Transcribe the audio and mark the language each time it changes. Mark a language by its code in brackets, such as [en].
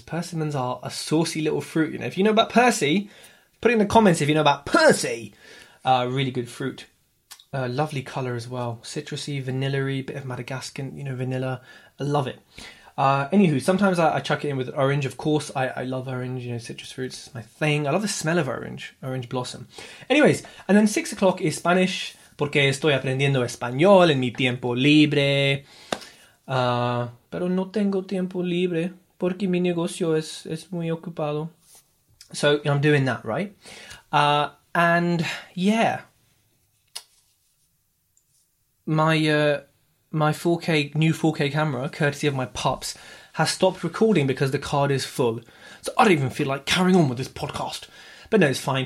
[en] Persimmons are a saucy little fruit. You know, if you know about Percy, put it in the comments if you know about Percy. Really good fruit. Lovely colour as well. Citrusy, vanillary, bit of Madagascan, you know, vanilla. I love it. Anywho, sometimes I chuck it in with orange. Of course, I love orange, you know, citrus fruits is my thing. I love the smell of orange blossom. Anyways, and then 6 o'clock is Spanish, [es] porque estoy aprendiendo español en mi tiempo libre. Pero no tengo tiempo libre, porque mi negocio es muy ocupado. [en] So, you know, I'm doing that, right? And, yeah. My 4K, new 4K camera, courtesy of my pups, has stopped recording because the card is full. So I don't even feel like carrying on with this podcast. But no, it's fine.